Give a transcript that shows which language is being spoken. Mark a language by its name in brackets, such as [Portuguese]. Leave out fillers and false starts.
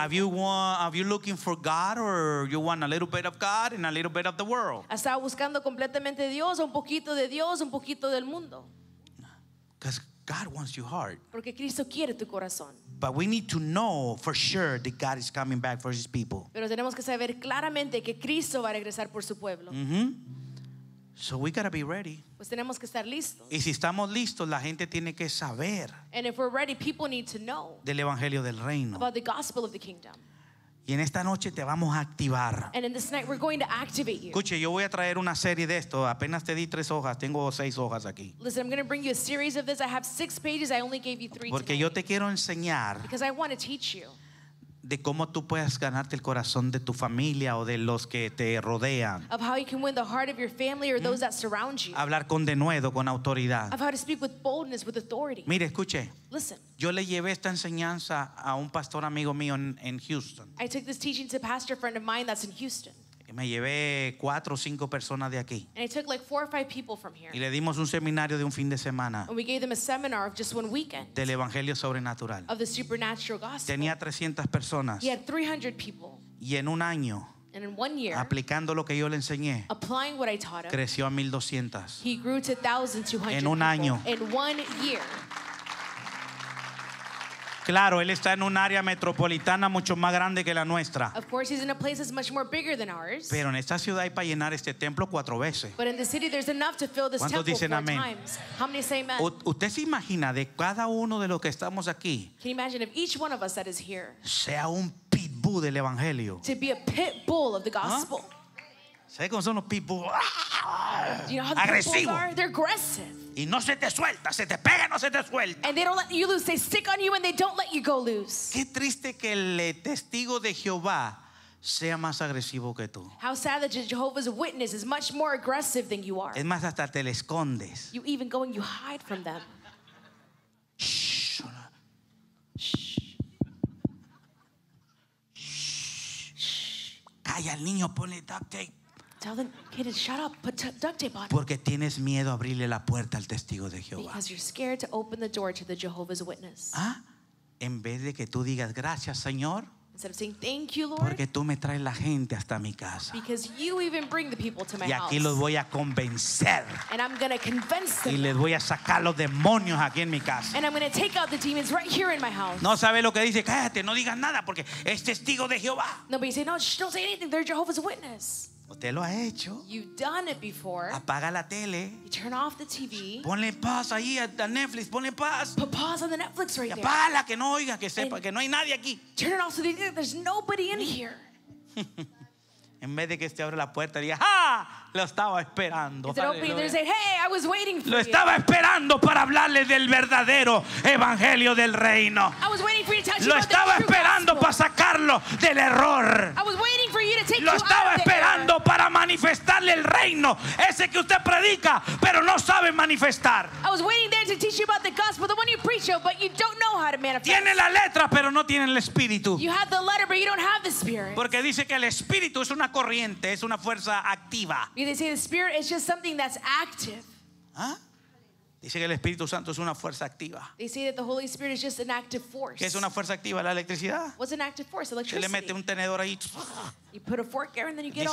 [English] Have you looking for God, or you want a little bit of God and a little bit of the world? [Spanish] ¿Está buscando completamente Dios, un poquito de Dios, un poquito del mundo? [English] God wants your heart. [Spanish] Porque Cristo quiere tu corazón. [English] But we need to know for sure that God is coming back for his people. [Spanish] Pero tenemos que saber claramente que Cristo va a regresar por su pueblo. [English] Mm-hmm. So we got to be ready. [Spanish] Pues tenemos que estar listos. Y si estamos listos, la gente tiene que saber. [English] And if we're ready, people need to know. [Spanish] Del evangelio del reino. [English] About the gospel of the kingdom. [Spanish] Y en esta noche te vamos a activar. [English] And in this night we're going to activate you. [Spanish] Escuche, yo voy a traer una serie de esto. Apenas te di 3 hojas. Tengo 6 hojas aquí. [English] Listen, I'm going to bring you a series of this. I have 6 pages. I only gave you 3 [Spanish] Porque [English] today. [Spanish] Yo te quiero enseñar. [English] Because I want to teach you. [Spanish] De cómo tú puedes ganarte el corazón de tu familia o de los que te rodean. [English] Of how you can win the heart of your family or those that surround you. [Spanish] Hablar con denuedo, con autoridad. [English] Of how to speak with boldness, with authority. [Spanish] Mire, escuche. [English] Listen. [Spanish] Yo le llevé esta enseñanza a un pastor amigo mío en Houston. [English] I took this teaching to a pastor friend of mine that's in Houston. [Spanish] Y me llevé 4 o 5 personas de aquí. [English] And I took like 4 or 5 people from here. [Spanish] Y le dimos un seminario de un fin de semana. [English] And we gave them a seminar of just one weekend. [Spanish] Del evangelio sobrenatural. [English] Of the supernatural gospel. [Spanish] Tenía 300 personas. [English] He had 300 people. [Spanish] Y en un año. [English] And in 1 year. [Spanish] Aplicando lo que yo le enseñé. [English] Applying what I taught him. [Spanish] Creció a 1,200. [English] He grew to 1,200. [Spanish] En un año. [English] In 1 year. [Spanish] Claro, él está en un área metropolitana mucho más grande que la nuestra. [English] Of course, he's in a place that's much more bigger than ours. [Spanish] Pero en esta ciudad hay para llenar este templo 4 veces. [English] But in the city, there's enough to fill this temple 4 times. [Spanish] ¿Cuántos dicen amén? [English] How many say amen? [Spanish] ¿Usted se imagina de cada uno de los que estamos aquí? [English] Can you imagine if each one of us that is here? [Spanish] Sea un pitbull del evangelio. [English] To be a pit bull of the gospel. [Spanish] ¿Sabes cómo son los pitbulls? [English] Do you know how the pitbulls are? They're aggressive. [Spanish] y no se te suelta, se te pega, no se te suelta. [English] And they don't let you loose. They stick on you and they don't let you go loose. [Spanish] Qué triste que el testigo de Jehová sea más agresivo que tú. [English] How sad that Jehovah's Witness is much more aggressive than you are. [Spanish] Es más, hasta te le escondes. [English] You even go and you hide from them. Shh. Shh. [Spanish] Calla al niño, ponle duct tape. [English] Tell the kid to shut up, put duct tape on. [Spanish] Porque tienes miedo a abrirle la puerta al testigo de Jehová. [English] Because you're scared to open the door to the Jehovah's Witness. [Spanish] Ah, en vez de que tú digas gracias, Señor. [English] Instead of saying thank you, Lord. [Spanish] Porque tú me traes la gente hasta mi casa. [English] Because you even bring the people to my house. [Spanish] Y aquí los voy a convencer. [English] And I'm going to convince them. [Spanish] Y les voy a sacar los demonios aquí en mi casa. [English] And I'm going to take out the demons right here in my house. [Spanish] No sabe lo que dice, cállate, no digas nada porque es testigo de Jehová. [English] Nobody say, no, don't say anything, they're Jehovah's Witness. [Spanish] Usted lo ha hecho. [English] You've done it before. [Spanish] Apaga la tele. [English] You turn off the TV. [Spanish] Ponle pause ahí a Netflix. Ponle pause. [English] Put pause on the Netflix right there. [Spanish] Apágala, que no oiga, que sepa, que no hay nadie aquí. [English] Turn it off so that there's nobody in here. [Spanish] En vez de que usted abra la puerta y diga, ¡ja! Lo estaba esperando. [English] Say, hey, I was waiting for [Spanish] lo estaba esperando para hablarle del verdadero evangelio del reino. [English] I was waiting for you to touch [Spanish] lo estaba esperando [English] gospel. [Spanish] Para sacarlo del error. [English] I was waiting for you to take [Spanish] lo estaba esperando para manifestarle el reino. Ese que usted predica, pero no sabe manifestar. [English] I was waiting there to teach you about the gospel, the one you preach, but you don't know how to manifest. [Spanish] Tiene la letra, pero no tiene el espíritu. [English] You have the letter, but you don't have the spirit. [Spanish] Porque dice que el espíritu es una corriente, es una fuerza activa. [English] They say the Spirit is just something that's active. ¿Ah? [Spanish] Dice que el Espíritu Santo es una fuerza activa. [English] They say that the Holy Spirit is just an active force. [Spanish] ¿Qué es una fuerza activa? La electricidad. [English] What's an active force? Electricity. [Spanish] Se le mete un tenedor ahí. [English] You put a fork there and then you get all.